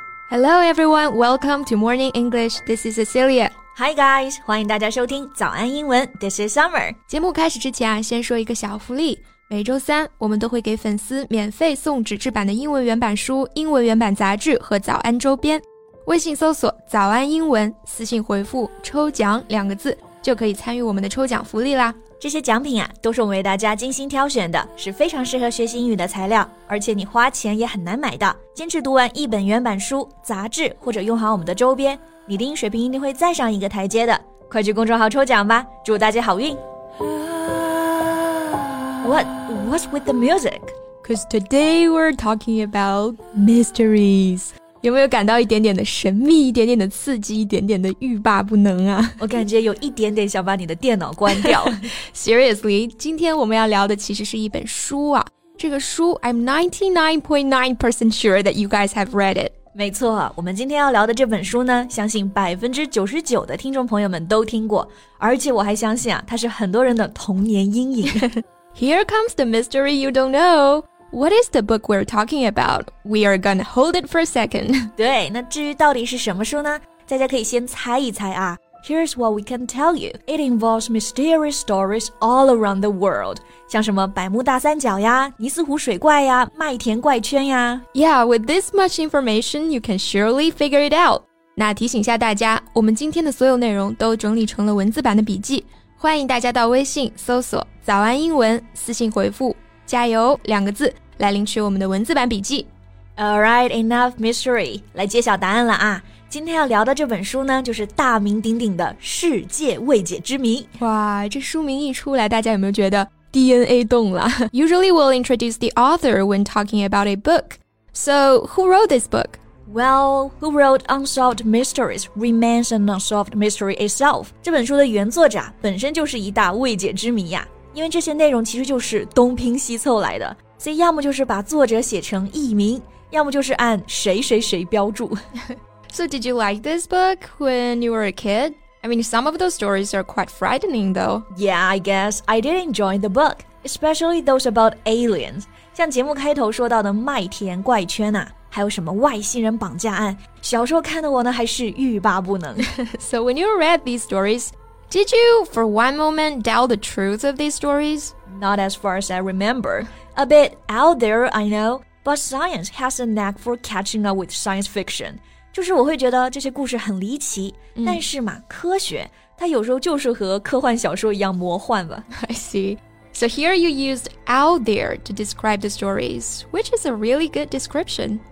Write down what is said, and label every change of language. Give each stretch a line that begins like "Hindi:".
English: Hello everyone, welcome to Morning English, this is Cecilia. Hi guys,
Chinese: 欢迎大家收听早安英文
English: this is Summer.
Chinese: 节目开始之前啊，先说一个小福利。每周三我们都会给粉丝免费送纸质版的英文原版书、英文原版杂志和早安周边。微信搜索早安英文，私信回复抽奖两个字，就可以参与我们的抽奖福利啦。这些奖品啊，都是我们为大家精心挑选的，是非常适合学习英语的材料，而且你花钱也很难买的。坚持读完一本原版书、杂志，或者用好我们的周边，你的英语水平一定会再上一个台阶的。快去公众号抽奖吧，祝大家好运。
English: What's with the music? Because today we're talking about mysteries.
Chinese: 有没有感到一点点的神秘，一点点的刺激，一点点的欲罢不能啊？我感觉有一点点想把你的电脑关掉。
English: Seriously,
Chinese: 今天我们要聊的其实是一本书啊。这个书
English: I'm 99.9% sure that you guys have read it.
Chinese: 没错、啊、我们今天要聊的这本书呢，相信 99% 的听众朋友们都听过，而且我还相信啊，它是很多人的童年阴影。
English: Here comes the mystery you don't know. What is the book we're talking about? We are gonna hold it for a second.
Chinese: 对，那至于到底是什么书呢？大家可以先猜一猜啊。
English: Here's what we can tell you. It involves mysterious stories all around the world.
Chinese: 像什么百慕大三角呀，尼斯湖水怪呀，麦田怪圈呀。
English: Yeah, with this much information, you can surely figure it out.
Chinese: 那提醒一下大家，我们今天的所有内容都整理成了文字版的笔记。欢迎大家到微信搜索早安英文，私信回复加油两个字来领取我们的文字版笔记。
English: Alright, enough mystery.
Chinese: 来揭晓答案了啊。今天要聊的这本书呢，就是大名鼎鼎的《世界未解之谜》。哇，这书名一出来，大家有没有觉得 DNA 动了？
English: Usually we'll introduce the author when talking about a book. So, who wrote this book? Well, who wrote Unsolved Mysteries remains an unsolved mystery itself.
Chinese: 这本书的原作者本身就是一大未解之谜呀。因为这些内容其实就是东拼西凑来的，所以要么就是把作者写成艺名，要么就是按谁谁谁标注。
English: So did you like this book when you were a kid? I mean, some of those stories are quite frightening though. Yeah, I guess I did enjoy the book, especially those about aliens.
Chinese: 像节目开头说到的麦田怪圈啊，还有什么外星人绑架案，小时候看的我呢还是欲罢不能。
English: So when you read these stories,Did you, for one moment, doubt the truth of these stories? Not as far as I remember. A bit out there, I know, but science has a knack for catching up with science fiction.
Chinese: 就是我会觉得这些故事很离奇、mm. 但是嘛科学它有时候就是和科幻小说一样魔幻吧。 I see. So here you used out there to describe the stories, which is a really good description.